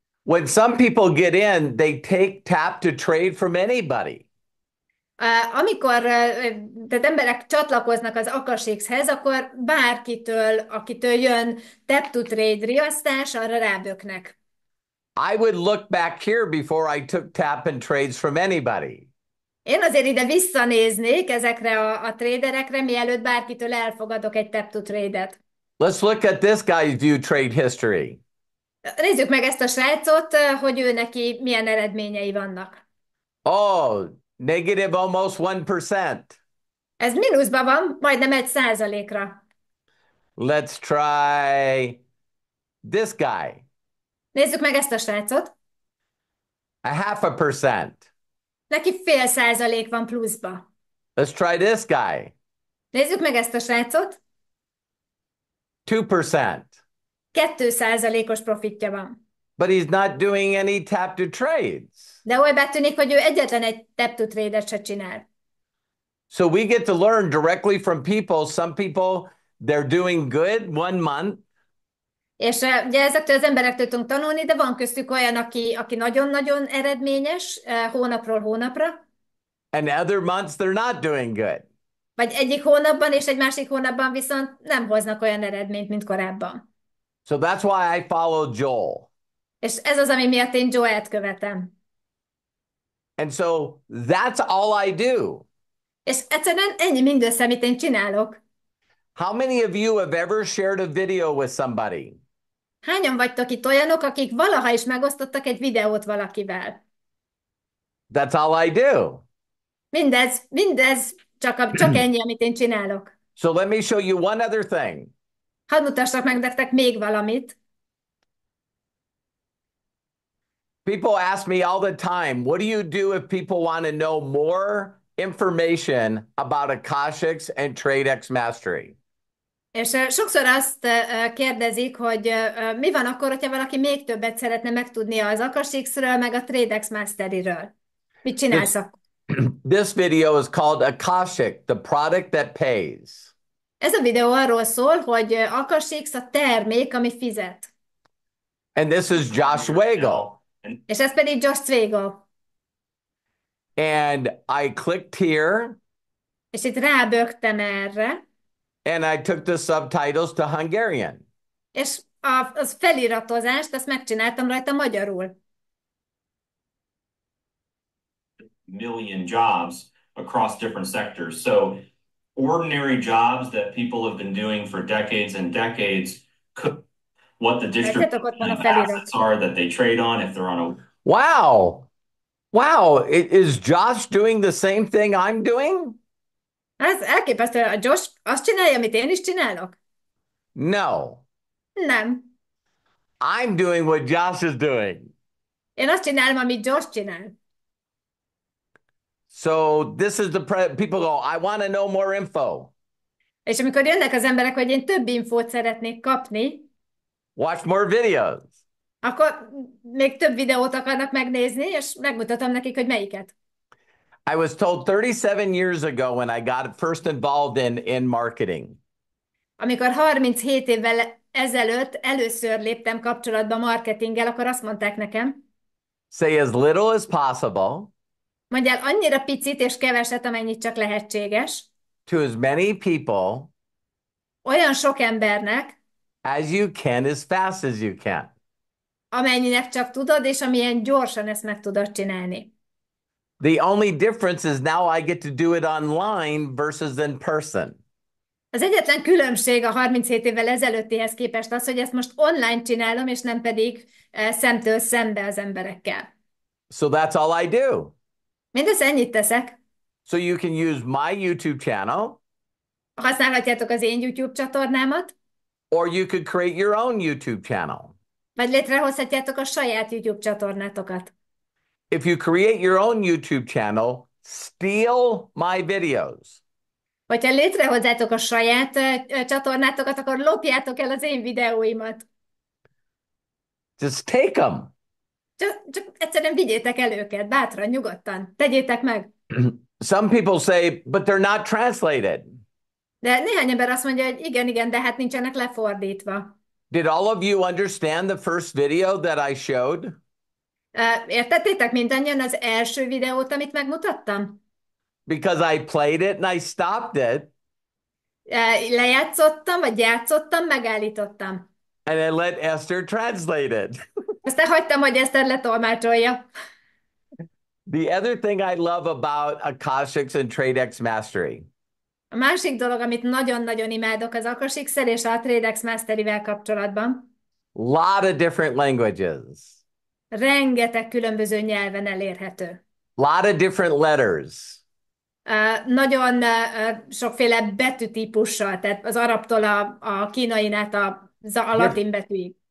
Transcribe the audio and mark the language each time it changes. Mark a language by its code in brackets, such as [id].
[en] When some people get in, they take tap to trade from anybody. [hu] Amikor tehát emberek csatlakoznak az Akashx-hez, akkor bárkitől, akitől jön tap to trade riasztás, arra ráböknek. [en] I would look back here before I took tap and trades from anybody. [hu] Én azért ide visszanéznék ezekre a traderekre, mielőtt bárkitől elfogadok egy tap to trade-et. [en] Let's look at this guy's view trade history. [hu] Nézzük meg ezt a srácot, hogy ő neki milyen eredményei vannak. [en] Oh, negative almost 1%. [hu] Ez mínuszban van, majdnem 1%-ra. [en] Let's try this guy. [hu] Nézzük meg ezt a srácot. [en] A half a percent. [hu] Neki 0,5% van pluszba. [en] Let's try this guy. [hu] Nézzük meg ezt a srácot. [en] 2%. [hu] 2%-os profitja van. [en] But he's not doing any tap to trades. [hu] De úgy betűnik, hogy ő egyetlen egy tap to trade-et se csinál. [en] So we get to learn directly from people. Some people, they're doing good 1 month. [hu] És ugye ezektől az emberektől tudunk tanulni, de van köztük olyan, aki nagyon-nagyon eredményes hónapról hónapra. [en] And other months they're not doing good. [hu] Vagy egyik hónapban és egy másik hónapban viszont nem hoznak olyan eredményt, mint korábban. [en] So that's why I follow Joel. [hu] És ez az, ami miatt én Joel-t követem. [en] And so that's all I do. [hu] És egyszerűen ennyi mindössze, amit én csinálok. [en] How many of you have ever shared a video with somebody? [hu] Hányan vagytok itt olyanok, akik valaha is megosztottak egy videót valakivel? [en] That's all I do. [hu] Mindez csak ennyi, amit én csinálok. [en] So let me show you one other thing. [hu] Hadd mutassak meg nektek még valamit. [en] People ask me all the time, what do you do if people want to know more information about Akashx and Tradexmastery? [hu] És sokszor azt kérdezik, hogy mi van akkor, hogyha valaki még többet szeretne megtudni az Akashx-ről, meg a Tradexmastery-ről. Mit csinálsz akkor? [en] This video is called Akashx, the product that pays. [hu] Ez a videó arról szól, hogy Akashx a termék, ami fizet. [en] And this is Josh Wagle. [hu] És ez pedig Josh Wagle. [en] And I clicked here. [hu] És itt rábögtem erre. [en] And I took the subtitles to Hungarian. [hu] És az feliratozást, azt megcsináltam rajta magyarul. [en] Million jobs across different sectors. So ordinary jobs that people have been doing for decades and decades, what the distribution of assets are that they trade on, if they're on a... Wow! Wow! Is Josh doing the same thing I'm doing? [hu] Ez elképesztő. A Josh azt csinálja, amit én is csinálok? [en] No. [hu] Nem. [en] I'm doing what Josh is doing. [hu] Én azt csinálom, amit Josh csinál. [en] So this is the pre people go, I want to know more info. [hu] És amikor jönnek az emberek, hogy én több infót szeretnék kapni, [en] Watch more videos. [hu] akkor még több videót akarnak megnézni, és megmutatom nekik, hogy melyiket. [en] I was told 37 years ago when I got first involved in marketing. [hu] Amikor 37 évvel ezelőtt először léptem kapcsolatba marketinggel, akkor azt mondták nekem, [en] Say as little as possible [hu] mondjál annyira picit és keveset, amennyit csak lehetséges. [en] to as many people [hu] Olyan sok embernek, [en] as you can, as fast as you can. [hu] amennyinek csak tudod, és amilyen gyorsan ezt meg tudod csinálni. [en] The only difference is now I get to do it online versus in person. [hu] Az egyetlen különbség a 37 évvel ezelőttihez képest az, hogy ezt most online csinálom, és nem pedig szemtől szembe az emberekkel. [en] So that's all I do. [hu] Mindössze ennyit teszek. [en] So you can use my YouTube channel, [hu] Használhatjátok az én YouTube csatornámat, [en] or you could create your own YouTube channel. [hu] vagy létrehozhatjátok a saját YouTube csatornátokat. [en] If you create your own YouTube channel, steal my videos. [hu] Hogyha létrehozzátok a saját csatornátokat, akkor lopjátok el az én videóimat. [en] Just take them. [hu] Csak egyszerűen vigyétek el őket, bátran, nyugodtan, tegyétek meg. [en] Some people say, but they're not translated. [hu] De néhány ember azt mondja, hogy igen, de hát nincsenek lefordítva. [en] Did all of you understand the first video that I showed? [hu] Értettétek mindannyian az első videót, amit megmutattam? [en] Because I played it and I stopped it. [hu] Lejátszottam, vagy játszottam, megállítottam. [en] And I let Esther translate it. [hu] Aztán hagytam, hogy Eszter letolmácsolja. [en] The other thing I love about Akashics and Tradexmastery. [hu] A másik dolog, amit nagyon-nagyon imádok az Akashx-el és a Tradexmastery-vel kapcsolatban, [en] Lot of different languages. [hu] rengeteg különböző nyelven elérhető. [en] Lot of different letters. [hu] Nagyon sokféle betűtípussal, tehát az arabtól a kínain át a latin betűig.